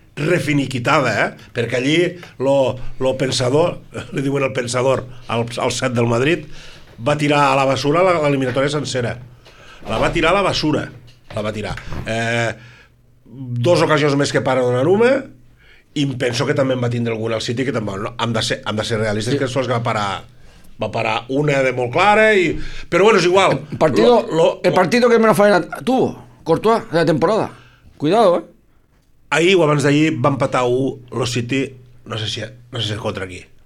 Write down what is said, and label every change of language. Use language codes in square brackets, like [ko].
[ca] refiniquitada, perquè allí lo pensador, li diuen el pensador al set del Madrid, va tirar a la basura l'eliminatòria sencera. La va tirar a la basura. Dos ocasions més que para Donnarumma, i penso que també en va tindre alguna al City, que també, no, hem de ser realistes, sí. Que són els que va parar una de molt clara, i, però bueno, és igual. [es] El partido que menos faena tuvo, Courtois, de la temporada. Cuidado, [ca] Ahir o abans d'ahir va empatar 1 lo City, no sé si és contra qui.